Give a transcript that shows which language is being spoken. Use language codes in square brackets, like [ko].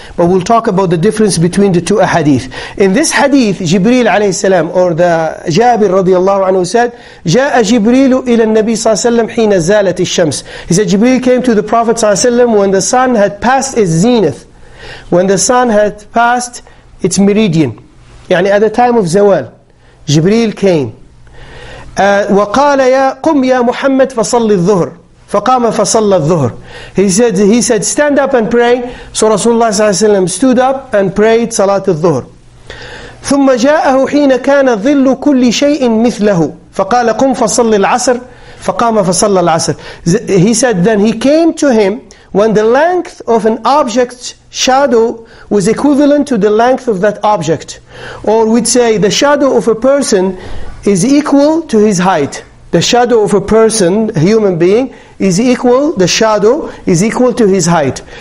[en] But we'll talk about the difference between the two hadith. In this hadith, Jibreel alayhi salam, or the Jabir radiallahu anhu said, [ar] جَاءَ جِبْرِيلُ إِلَى النَّبِي صَلَى سَلَّمْ حِينَ زَالَتِ الشَّمْسِ. [en] He said, Jibreel came to the Prophet [ar] صلى الله عليه وسلم [en] when the sun had passed its zenith. When the sun had passed its meridian, يعني at the time of Zawal, Jibreel came. [ar] وقال يا قم يا محمد فصلي الظهر فقام فصلى الظهر. [en] He said, stand up and pray. So Rasulullah صلى الله عليه وسلم stood up and prayed صلاة الظهر. [ar] ثم جاءه حين كان ظل كل شيء مثله فقال قم فصلي العصر فقام فصلى العصر. [en] He said, then he came to him when the length of an object's shadow was equivalent to the length of that object. Or we'd say, the shadow of a person is equal to his height. The shadow of a person, a human being, is equal, the shadow is equal to his height.